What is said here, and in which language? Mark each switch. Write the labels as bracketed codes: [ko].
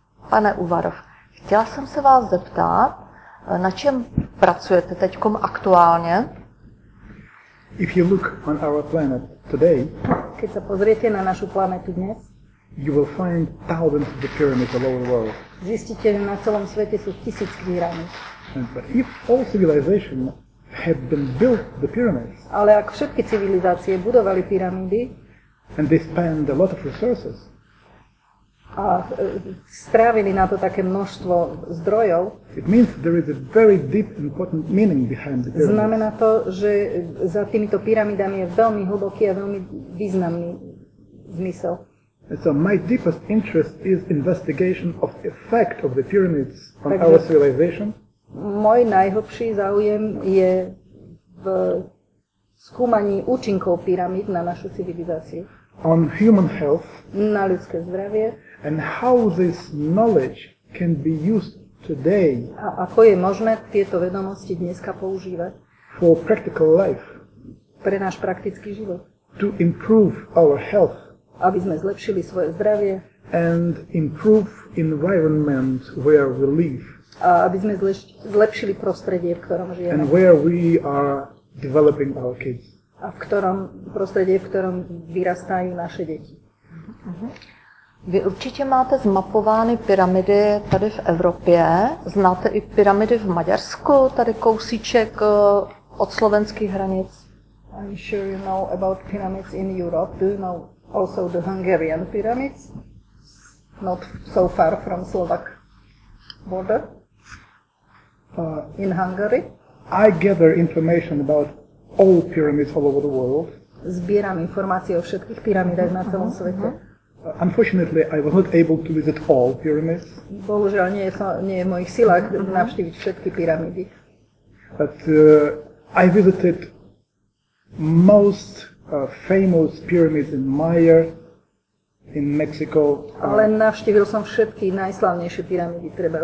[cs] Pane Uvarov, chtěla jsem se vás zeptat, na čem pracujete teď aktuálně? [en] If you look on our planet today, [cs] když se podíváte na naši planetu dnes, [en] you will find thousands of the pyramids all over the world. [cs] Zjistíte, že na celém světě jsou tisíce pyramid. [en] But if all civilization had been built the pyramids, [cs] ale jak všechny civilizace budovaly pyramidy, [en] and they spend a lot of resources, [cs] a strávili na to také množstvo zdrojů. [en] It means there is a very deep important meaning behind the pyramids. [cs] Znamená to, že za těmito pyramidami je velmi hluboký a velmi významný smysl. [en] And so my deepest interest is investigation of the effect of the pyramids on our civilization. [cs] Můj nejhlubší záujem je v zkoumání účinků pyramid na naši civilizaci. [en] On human health. [cs] Na lidské zdraví. [en] And how this knowledge can be used today? [sk] A ako je možné tieto vedomosti dneska používať? [en] For practical life. [sk] Pre náš praktický život. [en] To improve our health. [sk] Aby sme zlepšili svoje zdravie. [en] And improve environment where we live. [sk] A aby sme zlepšili prostredie, v ktorom žijeme. [en] And where we are developing our kids. [sk] A v ktorom prostredie, v ktorom vyrastajú naše deti. [cs] Vy určitě máte zmapovány pyramidy tady v Evropě. Znáte i pyramidy v Maďarsku, tady kousíček od slovenských hranic. [en] I'm sure you know about pyramids in Europe. Do you know also the Hungarian pyramids? Not so far from Slovak border. In Hungary. I gather information about all pyramids all over the world. [cs] Sbírám informace o všech pyramidách na celém světě. [en] Unfortunately, I was not able to visit all pyramids. [sk] Bohužel, nie je v mojich silách navštíviť všetky pyramidy. [en] But I visited most famous pyramids in Maya in Mexico. [sk] Ale navštívil som všetky najslavnejšie pyramídy, treba